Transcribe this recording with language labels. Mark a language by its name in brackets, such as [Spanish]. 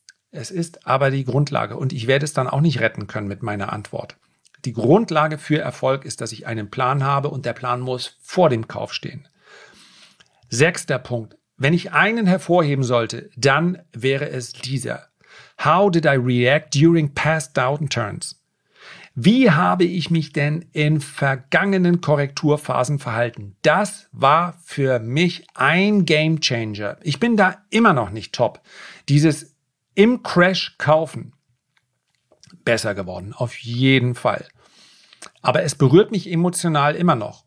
[German] Es ist aber die Grundlage und ich werde es dann auch nicht retten können mit meiner Antwort. Die Grundlage für Erfolg ist, dass ich einen Plan habe und der Plan muss vor dem Kauf stehen. Sechster Punkt. Wenn ich einen hervorheben sollte, dann wäre es dieser. [English] How did I react during past downturns? [German] Wie habe ich mich denn in vergangenen Korrekturphasen verhalten? Das war für mich ein Game Changer. Ich bin da immer noch nicht top. Dieses im Crash kaufen. Besser geworden, auf jeden Fall. Aber es berührt mich emotional immer noch.